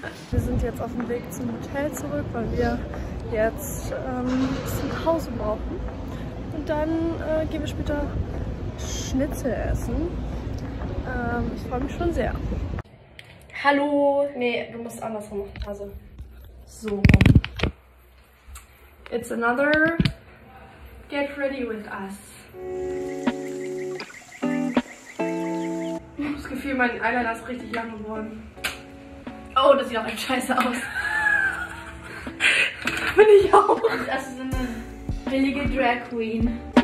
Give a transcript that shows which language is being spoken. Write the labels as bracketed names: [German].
[German] Wir sind jetzt auf dem Weg zum Hotel zurück, weil wir jetzt zum Hause brauchen. Und dann gehen wir später Schnitzel essen. Ich freue mich schon sehr. Hallo! Nee, du musst andersrum machen. Also. So. [English] It's another Get Ready With Us. [German] Das Gefühl, mein Eyeliner ist richtig lang geworden. Oh, das sieht auch echt scheiße aus. Bin ich auch. Das ist erst so eine billige Drag Queen.